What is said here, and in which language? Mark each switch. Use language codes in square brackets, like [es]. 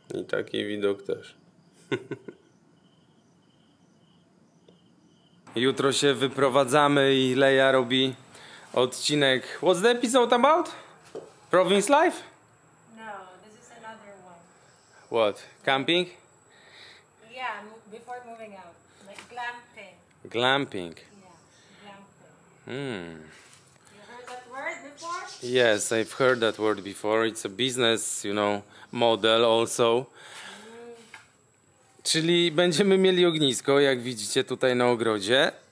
[pl] Taki widok też. Jutro się wyprowadzamy i Leja robi odcinek. [en] What's the episode about? Province life? No, this is another one. What? Camping? Yeah, before moving out. Like glamping. Glamping? Yeah, glamping. Hmm. Before? Yes, I've heard that word before. It's a business, you know, model also. [pl] Czyli będziemy mieli ognisko, jak widzicie tutaj na ogrodzie.